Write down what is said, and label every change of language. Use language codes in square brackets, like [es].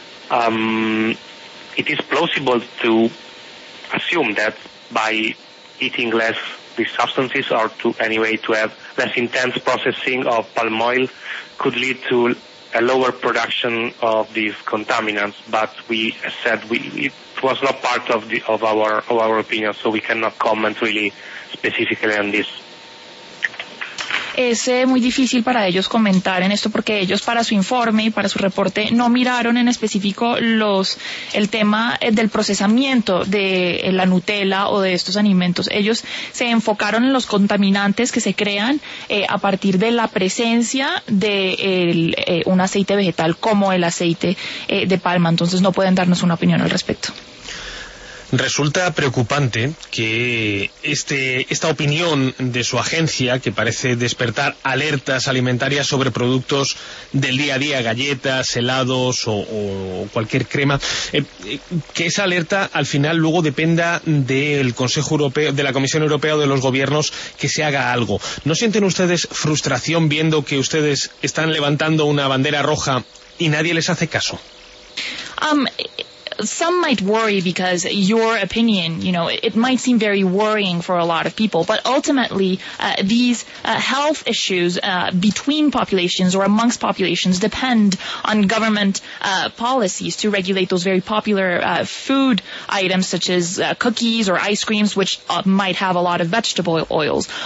[en] It is plausible to assume that by eating less these substances, or to have less intense processing of palm oil, could lead to a lower production of these contaminants, but we said it was not part of our opinion, so we cannot comment really specifically on this. [es] Es muy difícil para ellos comentar en esto, porque ellos, para su informe y para su reporte, no miraron en específico el tema del procesamiento de la Nutella o de estos alimentos. Ellos se enfocaron en los contaminantes que se crean a partir de la presencia de un aceite vegetal como el aceite de palma. Entonces no pueden darnos una opinión al respecto. Resulta preocupante que esta opinión de su agencia, que parece despertar alertas alimentarias sobre productos del día a día, galletas, helados o cualquier crema, que esa alerta al final luego dependa del Consejo Europeo, de la Comisión Europea o de los gobiernos, que se haga algo. ¿No sienten ustedes frustración viendo que ustedes están levantando una bandera roja y nadie les hace caso? [en] Some might worry because your opinion, you know, it might seem very worrying for a lot of people, but ultimately these health issues between populations or amongst populations depend on government policies to regulate those very popular food items such as cookies or ice creams, which might have a lot of vegetable oils.